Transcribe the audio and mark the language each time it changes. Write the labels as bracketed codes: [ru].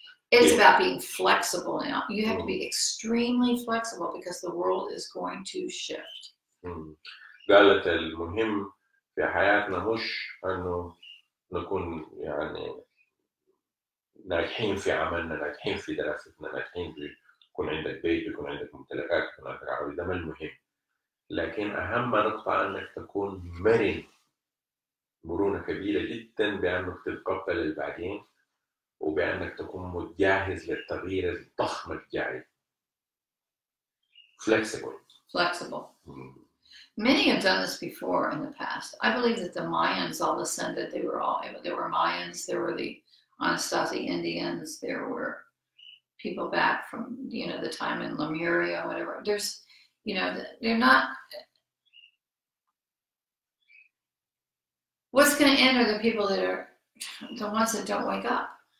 [en] It's about being flexible now. You have to be extremely flexible because the world is going to shift. [ar] قالت المهم في حياتنا مش انه نكون يعني ناجحين في عملنا، ناجحين في دراستنا، ناجحين يكون عندك بيت، يكون عندك ممتلكات، يكون عندك عربي، ده ما المهم. لكن اهم نقطه انك تكون مرن مرونه كبيره جدا بانك تتقبل البعدين وبانك تكون جاهز للتغيير الضخم الجاي. [en] Flexible. Many have done this before in the past. I believe that the Mayans all ascended. They were all, there were Mayans, there were the Anasazi Indians, there were people back from, you know, the time in Lemuria, whatever. There's, you know, they're not, what's going to end are the people that are the ones that don't wake up.